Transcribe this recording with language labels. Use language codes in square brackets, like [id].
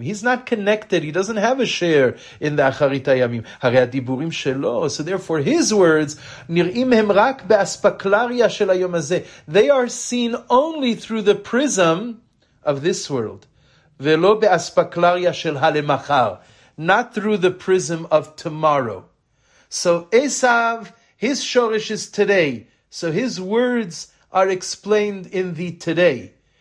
[en] He's not connected, he doesn't have a share in the אחרית הימים. [he] הרי הדיבורים שלו, [en] so therefore his words, [he] נראים הם רק באספקלריה של היום הזה. [en] They are seen only through the prism of this world, [he] ולא באספקלריה של הלמחר. [en] Not through the prism of tomorrow. So Esav, his shoresh is today. So his words are explained in the today.